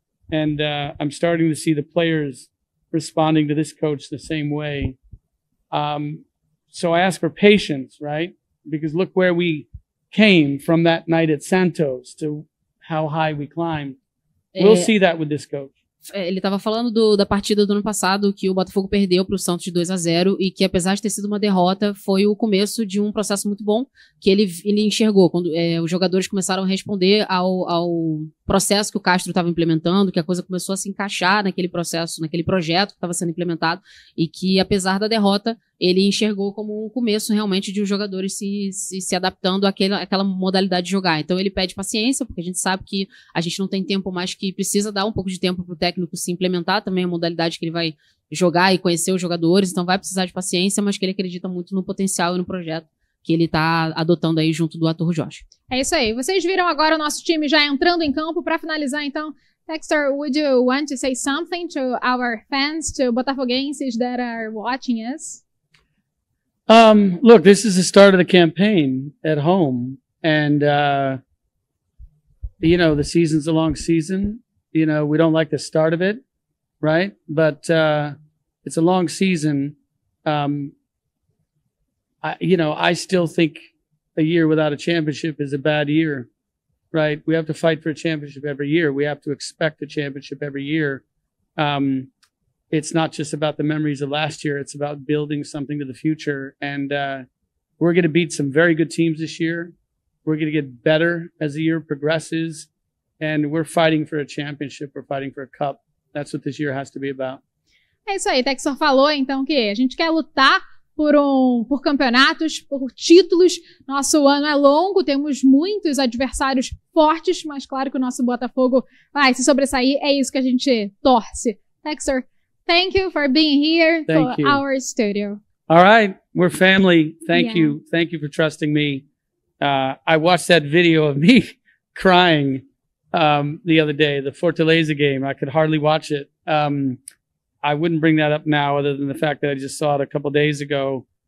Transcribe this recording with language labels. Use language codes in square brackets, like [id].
[en] And I'm starting to see the players responding to this coach the same way. So I ask for patience, right? Because look where we came from that night at Santos to how high we climbed. We'll see that with this coach. [pt] Ele estava falando da partida do ano passado, que o Botafogo perdeu para o Santos de 2-0, e que apesar de ter sido uma derrota, foi o começo de um processo muito bom que ele enxergou, quando os jogadores começaram a responder ao processo que o Castro estava implementando, que a coisa começou a se encaixar naquele processo, naquele projeto que estava sendo implementado, e que apesar da derrota, ele enxergou como um começo realmente de os jogadores se adaptando àquela modalidade de jogar. Então ele pede paciência, porque a gente sabe que a gente não tem tempo mais, que precisa dar um pouco de tempo para o técnico se implementar também a modalidade que ele vai jogar e conhecer os jogadores, então vai precisar de paciência, mas que ele acredita muito no potencial e no projeto que ele está adotando aí junto do Arthur Jorge. É isso aí. Vocês viram agora o nosso time já entrando em campo. Para finalizar, então, [en] Dexter, would you want to say something to our fans, to Botafoguenses that are watching us? Look, this is the start of the campaign at home, and you know, the season's a long season. You know, we don't like the start of it, right? But it's a long season. I still think a year without a championship is a bad year, right? We have to fight for a championship every year. We have to expect a championship every year. It's not just about the memories of last year. It's about building something to the future. And we're going to beat some very good teams this year. We're going to get better as the year progresses. And we're fighting for a championship. We're fighting for a cup. That's what this year has to be about. [pt] É isso aí. Texor falou, então, que a gente quer lutar por campeonatos, por títulos. Nosso ano é longo, temos muitos adversários fortes, mas claro que o nosso Botafogo vai se sobressair. É isso que a gente torce. [en] Texor, thank you for being here our studio. All right, we're family. Thank you. Thank you for trusting me. I watched that video of me crying the other day, the Fortaleza game. I could hardly watch it. I wouldn't bring that up now other than the fact that I just saw it a couple days ago.